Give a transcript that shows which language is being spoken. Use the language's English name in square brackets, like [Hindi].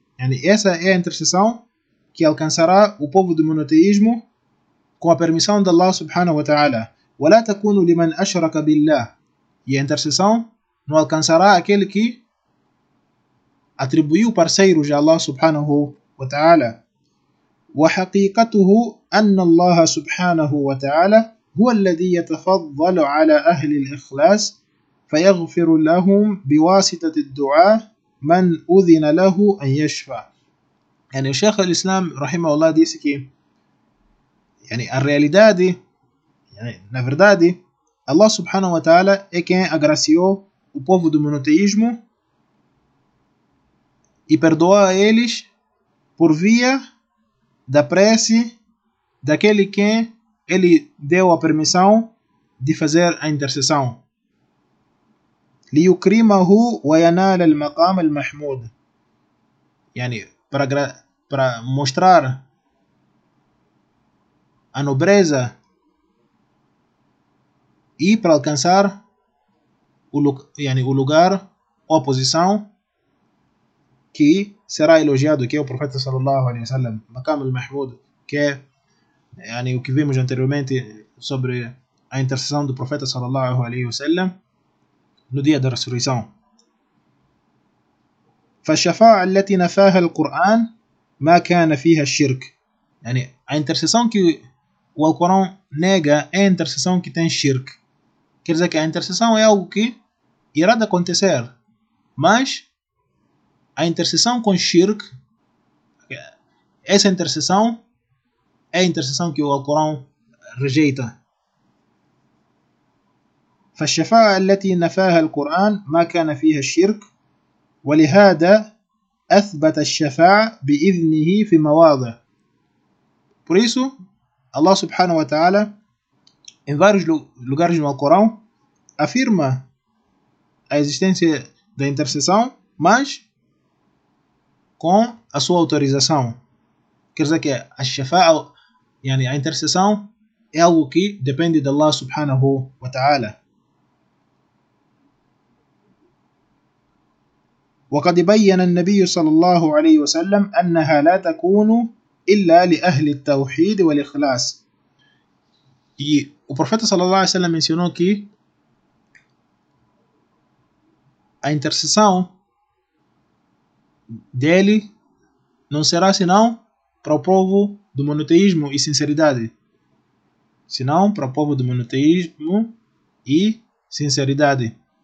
[Portuguese] Yani, essa é a intercessão que alcançará o povo do monoteísmo com a permissão de Allah subhanahu wa ta'ala. [Arabic] وَلَا تَكُونُ لِمَنْ أَشْرَكَ بِاللَّهِ. [Portuguese] E a intercessão não alcançará aquele que atribuiu parceiros a Allah subhanahu wa ta'ala. [Arabic] وَحَقِيقَتُهُ أَنَّ اللَّهَ سُبْحَانَهُ وَتَعَالَى هُوَ الَّذِي يَتَفَضَّلُ عَلَىٰ أَهْلِ الْإِخْلَاسِ فيغفر لهم بواسطة الدعاء من أذن له أن يشفع. يعني الشيخ الإسلام رحمه الله [Portuguese] disse que يعني الرealidade يعني na verdade Allah subhanahu wa ta'ala é quem agraciou o povo do monoteísmo e perdoou a eles por via da prece daquele quem ele deu a permissão de fazer a intercessão. [Arabic] ليكرمه وينال المقام المحمود. [Portuguese] يعني para mostrar a nobreza e para alcançar o lugar ou a posição que será elogiado, que é o profeta sallallahu alaihi wasallam, maqam al-mahmud, que é yani, o que vimos anteriormente sobre a intercessão do profeta sallallahu alaihi wasallam no dia da ressurreição. [Arabic] فَالشَّفَاعَ الَّتِي نَفَاهَ الْقُرْآنَ مَا كَانَ فِيهَ الشِّرْكِ. [Portuguese] Yani, a intercessão que o Alcorão nega é a intercessão que tem shirk. Quer dizer que a intercessão é algo que irá de acontecer. Mas a intercessão com shirk, essa intercessão é a intercessão que o Alcorão rejeita. [Arabic] فالشفاعة التي نفاها القرآن ما كان فيها الشرك ولهذا أثبت الشفاعة بإذنه في مواضع. [Portuguese] Por isso, Allah subhanahu wa ta'ala, em vários lugares no Alcorão, afirma a existência da intercessão, mas com a sua autorização. Quer dizer que a شفاعة, yani a intercessão, é algo que depende de Allah subhanahu wa ta'ala. [Arabic] وقد بين النبي صلى الله عليه وسلم أنها لا تكون إلا لأهل التوحيد والإخلاص. [Portuguese] O profeta [Arabic] صلى الله عليه وسلم [Portuguese] mencionou que a intercessão dele não será senão para o povo do monoteísmo e sinceridade. Senão para o povo do monoteísmo e sinceridade.